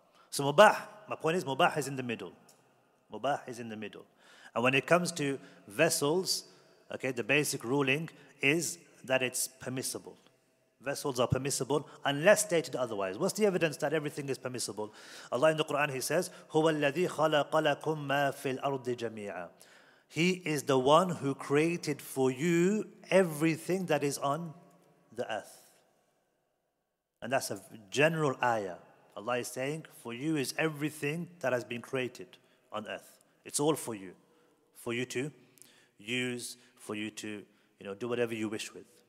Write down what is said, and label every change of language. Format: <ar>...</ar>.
<en>So mubah, my point is mubah is in the middle. Mubah is in the middle. And when it comes to vessels, okay, the basic ruling is that it's permissible. Vessels are permissible unless stated otherwise. What's the evidence that everything is permissible?</en> <ar>Allah in the Quran, He says, هُوَ الَّذِي خَلَقَ لَكُم مَّا فِي الْأَرْضِ جَمِيعًا.</ar> <en>He is the one who created for you everything that is on the earth. And that's a general ayah. Allah is saying, for you is everything that has been created on earth. It's all for you. For you to use, for you to, you know, do whatever you wish with.</en>